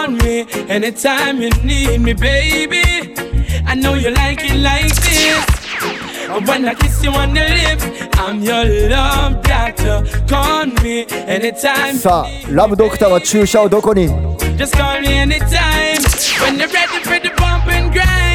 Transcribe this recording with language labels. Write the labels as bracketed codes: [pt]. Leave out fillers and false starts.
[en] Anytime you need me, baby, I know you like it like this. When I kiss you on the lips, I'm your love doctor. Call me anytime. [ja] さあ、ラブドクターは注射をどこに？ [en] Just call me anytime when you're ready for the bump and grind.